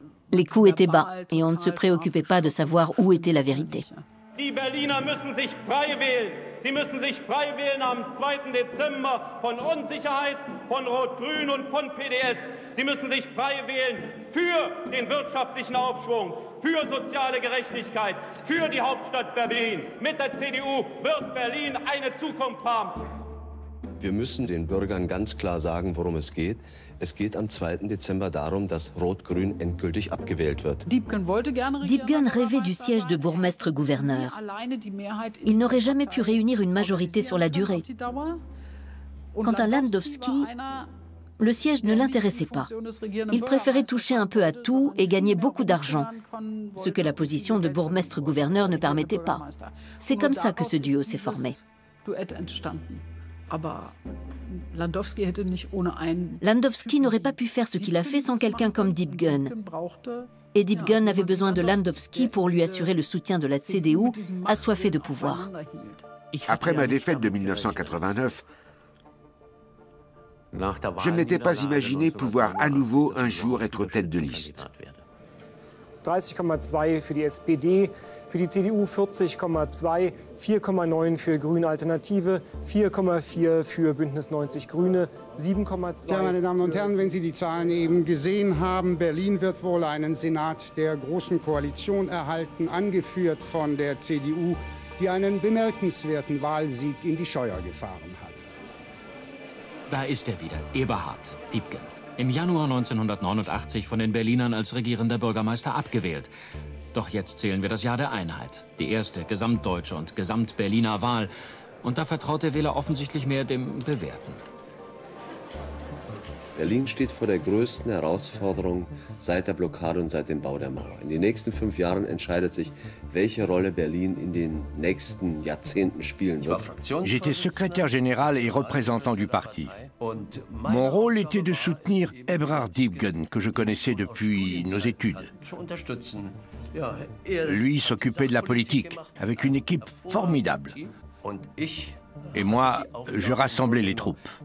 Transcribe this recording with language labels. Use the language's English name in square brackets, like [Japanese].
[French] Les coûts étaient bas et on ne se préoccupait pas de savoir où était la vérité. [German] Die Berliner müssen sich frei wählen. Sie müssen sich frei wählen am 2. Dezember von Unsicherheit, von Rot-Grün und von PDS. Sie müssen sich frei wählen für den wirtschaftlichen Aufschwung, für soziale Gerechtigkeit, für die Hauptstadt Berlin. Mit der CDU wird Berlin eine Zukunft haben. Wir müssen den Bürgern ganz klar sagen, worum es geht. Es geht am 2. Dezember darum, dass Rot-Grün endgültig abgewählt wird. [French] Diebgen rêvait du siège de Bourgmestre-Gouverneur. Il n'aurait jamais pu réunir une majorité sur la durée. Quant à Landowski, le siège ne l'intéressait pas. Il préférait toucher un peu à tout et gagner beaucoup d'argent, ce que la position de Bourgmestre-Gouverneur ne permettait pas. C'est comme ça que ce duo s'est formé. Landowski n'aurait pas pu faire ce qu'il a fait sans quelqu'un comme Diebgen. Et Diebgen avait besoin de Landowski pour lui assurer le soutien de la CDU, assoiffée de pouvoir. Après ma défaite de 1989, je ne m'étais pas imaginé pouvoir à nouveau un jour être tête de liste. [German] 30,2 für die SPD, für die CDU 40,2, 4,9 für Grüne Alternative, 4,4 für Bündnis 90 Grüne, 7,2. Ja, meine Damen und Herren, wenn Sie die Zahlen eben gesehen haben, Berlin wird wohl einen Senat der Großen Koalition erhalten, angeführt von der CDU, die einen bemerkenswerten Wahlsieg in die Scheuer gefahren hat. Da ist er wieder, Eberhard Diepgen. Im Januar 1989 von den Berlinern als regierender Bürgermeister abgewählt. Doch jetzt zählen wir das Jahr der Einheit. Die erste gesamtdeutsche und gesamtberliner Wahl. Und da vertraut der Wähler offensichtlich mehr dem Bewährten. Berlin steht vor der größten Herausforderung seit der Blockade und seit dem Bau der Mauer. In den nächsten 5 Jahren entscheidet sich, welche Rolle Berlin in den nächsten Jahrzehnten spielen wird. [French] J'étais secrétaire général et représentant du parti. Mon rôle était de soutenir Eberhard Diepgen, que je connaissais depuis nos études. Lui s'occupait de la politique avec une équipe formidable. Et moi, je rassemblais les troupes.